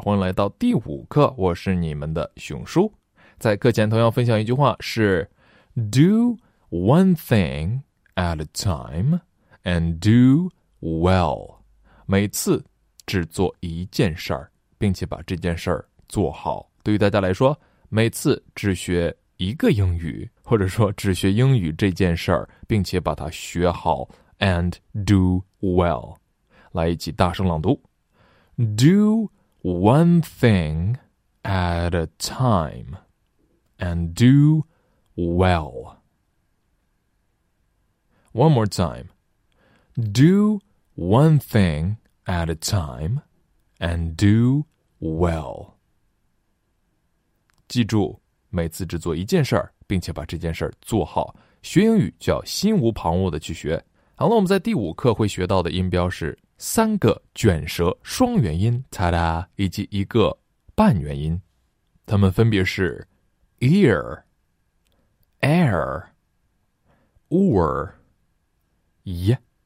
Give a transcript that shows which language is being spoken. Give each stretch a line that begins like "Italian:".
Chinese: 欢迎来到第五课，我是你们的熊叔。在课前同样分享一句话是
English: Do one thing at a time and do well.
Chinese: 每次只做一件事儿，并且把这件事儿做好。对于大家来说，每次只学一个英语，或者说只学英语这件事儿，并且把它学好
English: and do well.
Chinese: 来一起大声朗读
English: Do one thing at a time and do well. One more time. Do one thing at a time and do well.
Chinese: 记住，每次只做一件事儿，并且把这件事儿做好。学英语就要心无旁骛地去学。好了，我们在第五课会学到的音标是三个卷舌双元音，哒哒，以及一个半元音，它们分别是 ear、air、or、ye。